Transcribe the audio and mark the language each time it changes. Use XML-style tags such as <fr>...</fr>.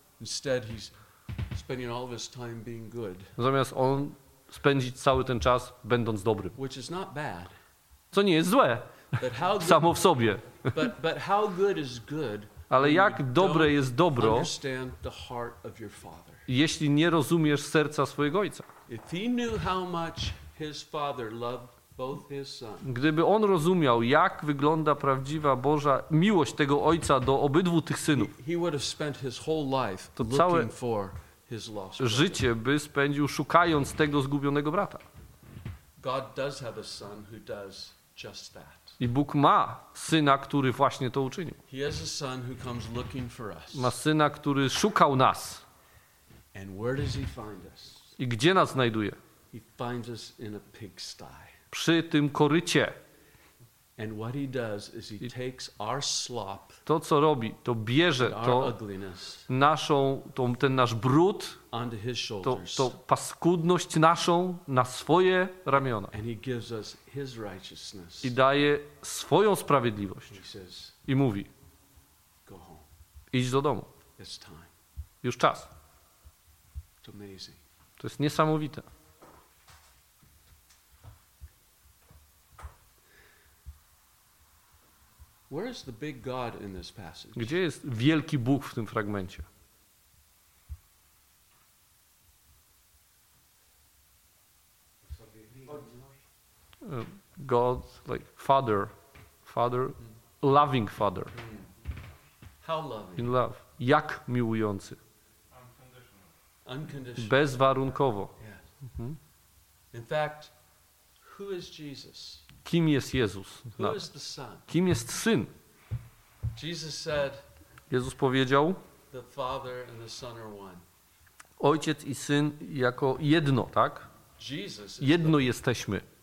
<en>Instead, he's spending all of his time being good.</en> <pl>Zamiast on spędzić cały ten czas będąc dobrym.</pl> <en>Which is not bad.</en> <pl>Co nie jest złe. Samo w sobie.</pl> <en>But how good is good?</en> <pl>Ale jak dobre jest dobro,</pl> <en>understand the heart of your father.</en> <pl>Jeśli nie rozumiesz serca swojego ojca.</pl> <en>If he knew how much his father loved both his sons.</en> <pl>Gdyby on rozumiał, jak wygląda prawdziwa Boża miłość tego ojca do obydwu tych synów,</pl> <en>he would have spent his whole life looking for his lost brother.</en> <pl>Życie by spędził szukając tego zgubionego brata.</pl> <en>God does have a son who does just that.</en> <pl>I Bóg ma syna, który właśnie to uczynił.</pl> <en>He has a son who comes looking for us.</en> <pl>Ma syna, który szukał nas.</pl> <en>And where does he find us?</en> <pl>I gdzie nas znajduje?</pl> <en>He finds us in a pigsty.</en> <pl>Przy tym korycie.</pl> <en>And what he does is he takes our slop.</en> <pl>To co robi, to bierze to naszą, ten nasz brud, to paskudność naszą na swoje ramiona.</pl> <en>And he gives us his righteousness.</en> <pl>I daje swoją sprawiedliwość.</pl> <en>He says,</en> <pl>i mówi,</pl> <en>go home.</en> <pl>Idź do domu.</pl> <en>It's time.</en> <pl>Już czas.</pl> <en>It's amazing.</en> <pl>To jest niesamowite.</pl> <en>Where is the big God in this passage?</en> <pl>Gdzie jest wielki Bóg w tym fragmencie?</pl> <en>God, like father, loving father. How loving? In love.</en> <pl>Jak miłujący.</pl> <en>Unconditional.</en> <pl>Bezwarunkowo.</pl> <en>Yeah. In fact, who is Jesus?</en> <pl>Kim jest Jezus?</pl> <en>Who is the Son?</en> <pl>Kim jest Syn?</pl> <en>Jesus said,</en> <pl>Jezus powiedział,</pl> <en>the Father and the Son are one.</en> <pl>Ojciec i Syn jako jedno, tak? Jedno jesteśmy.</pl>